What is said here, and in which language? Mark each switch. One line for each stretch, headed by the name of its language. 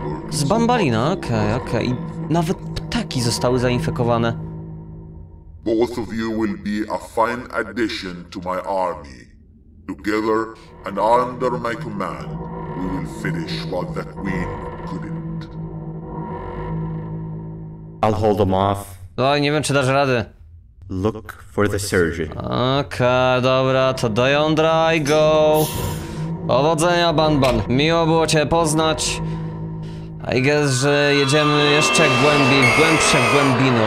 Polish: Z bambalina, okej. I nawet ptaki zostały zainfekowane.
English: Both of you will be a fine addition to my army. Together and under my command, we will finish what the Queen couldn't. I'll hold them off.
Polish: Oj, nie wiem, czy dasz radę.
English: Look for the surgeon.
Polish: Okej, dobra, to do jądra i go. Powodzenia, ban. Miło było cię poznać.
English: I guess,
Polish: że jedziemy jeszcze głębiej, głębsze głębiny.